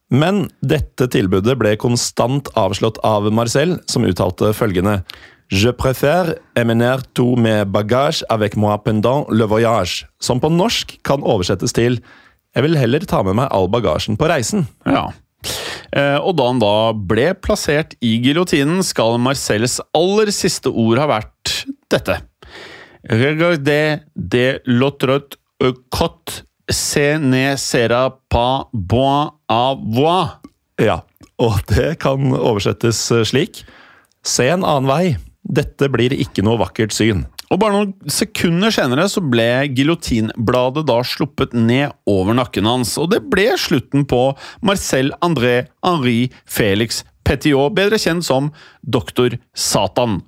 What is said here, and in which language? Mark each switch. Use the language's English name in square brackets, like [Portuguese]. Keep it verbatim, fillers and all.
[Norwegian] Men dette tilbudet ble konstant avslått av Marcel, som uttalte følgende: [French] «Je préfère émener tous mes bagages avec moi pendant le voyage», [Norwegian] som på norsk kan oversettes til «Jeg vil heller ta med meg all bagasjen på reisen». Ja. Og da han da ble plassert i giljotinen, skal Marcels aller siste ord ha vært dette: [French] Regardez de l'autre côté, ce ne sera pas bon à voir. [Norwegian] Ja, og det kan oversettes slik. Se en annen vei. Dette blir ikke noe vakkert syn. Og bare noen sekunder senere så ble giljotinbladet da sluppet ned over nakken hans, og det ble slutten på Marcel André Henri Félix Pétillot, bedre kjent som Doktor Satan.